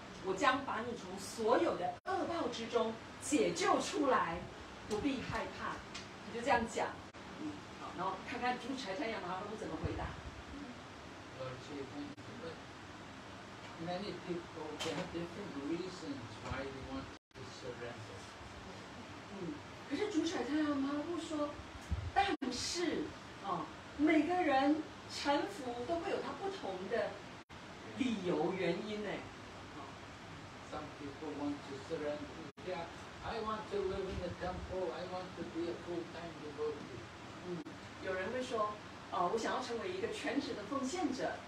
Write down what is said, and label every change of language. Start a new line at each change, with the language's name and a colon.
Chinese: 我将把你从所有的恶报之中解救出来，不必害怕。他就这样讲，好，然后看看主彩太阳马哈帕布怎么回答。
English: Lord Chaitanya said, "But many people have different reasons why they want to surrender."
Chinese: 可是主彩太阳马哈帕布说，但是每个人臣服都会有他不同的理由原因呢。
English: Some people want to surrender. Yeah, I want to live in the temple. I want to be a full-time devotee.
Chinese: 有人会说，我想要成为一个全职的奉献者。